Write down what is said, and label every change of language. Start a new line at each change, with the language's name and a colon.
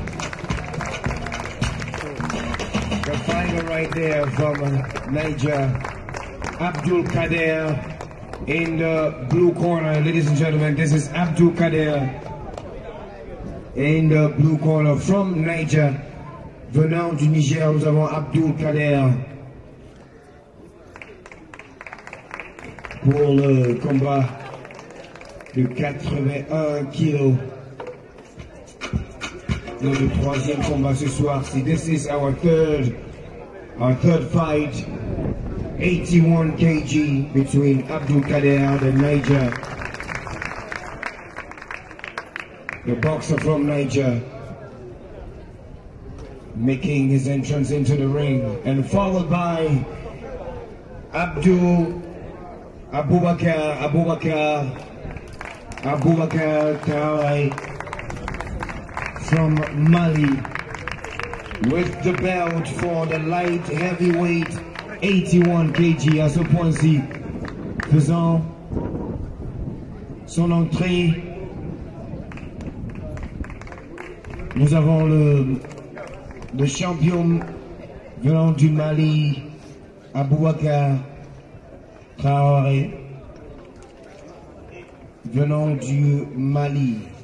English: The final right there from Niger, Abdoul Kader in the blue corner. Ladies and gentlemen, this is Abdoul Kader in the blue corner from Niger.
French: Venant du Niger, nous avons Abdoul Kader pour le combat de 81 kilos. Dans le troisième combat ce soir,
English: this is our third fight, 81 kg between Abdoul Kader and Niger. The boxer from Niger making his entrance into the ring and followed by Aboubacar Traore from Mali with the belt for the light heavyweight 81 kg
French: à ce point-ci, faisant son entrée. Nous avons le champion venant du Mali, Aboubacar Traore, venant du Mali.